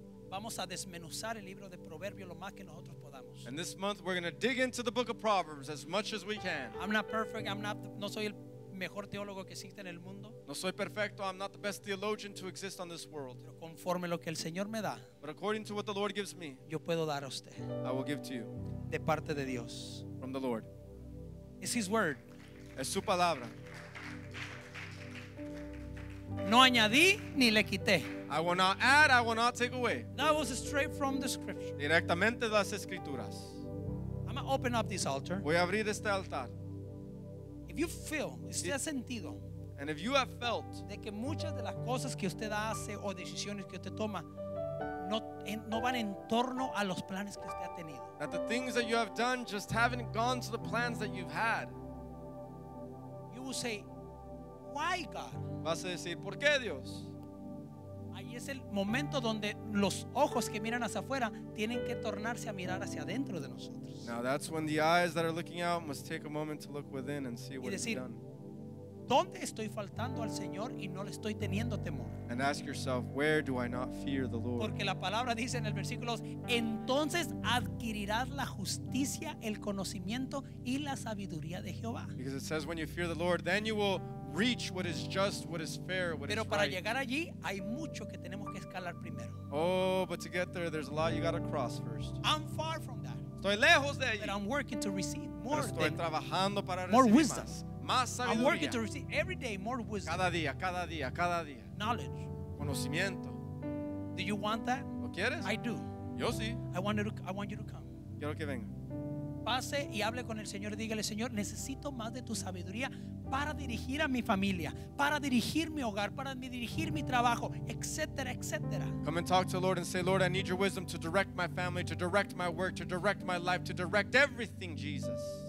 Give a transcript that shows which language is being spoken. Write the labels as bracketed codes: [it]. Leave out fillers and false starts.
[es] Vamos a desmenuzar el libro de Proverbios lo más que nosotros podamos. [en] And this month we're going to dig into the book of Proverbs as much as we can. I'm not perfect. [es] No soy el mejor teólogo que existe en el mundo. No soy perfecto. [en] I'm not the best theologian to exist on this world. [es] Pero conforme lo que el Señor me da, [en] but according to what the Lord gives me, [es] yo puedo dar a usted. [en] I will give to you. [es] De parte de Dios. [en] From the Lord. It's His word. [es] Es su palabra. No añadí ni le quité. [en] I will not add, I will not take away. That was straight from the scripture. [es] Directamente de las escrituras. [en] I'm going to open up this altar. [es] Voy a abrir este altar. [en] If you feel, [es] usted ha sentido, [en] and if you have felt, [es] de que muchas de las cosas que usted hace o decisiones que usted toma no van en torno a los planes que usted ha tenido, [en] that the things that you have done just haven't gone to the plans that you've had, you will say, why God? [es] Vas a decir, ¿por qué Dios? Ahí es el momento donde los ojos que miran hacia afuera tienen que tornarse a mirar hacia adentro de nosotros. [en] Now that's when the eyes that are looking out must take a moment to look within and see what [es] decir, [en] he's done. [es] ¿Dónde estoy faltando al Señor y no le estoy teniendo temor? [en] And ask yourself, where do I not fear the Lord? [es] Porque la palabra dice en el versículo 2, entonces adquirirás la justicia, el conocimiento y la sabiduría de Jehová. [en] Because it says when you fear the Lord, then you will reach what is just, what is fair, what [es] pero [en] is [es] para [en] right. [es] Llegar allí, hay mucho que tenemos que escalar primero. [en] Oh, but to get there, there's a lot you got to cross first. I'm far from that. [es] Estoy lejos de allí. [en] But I'm working to receive more [es] estoy trabajando para [en] more [es] recibir [en] wisdom. [es] Más. Más sabiduría. [en] I'm working to receive every day more wisdom. [es] Cada día. [en] Knowledge. [es] Conocimiento. [en] Do you want that? [es] ¿Lo quieres? [en] I do. [es] Yo sí. [en] I want you to come. [es] Quiero que venga. Pase y hable con el Señor y dígale, Señor, necesito más de tu sabiduría para dirigir a mi familia, para dirigir mi hogar, para dirigir mi trabajo, etcétera, etcétera. [en] Come and talk to the Lord and say, Lord, I need your wisdom to direct my family, to direct my work, to direct my life, to direct everything, Jesus.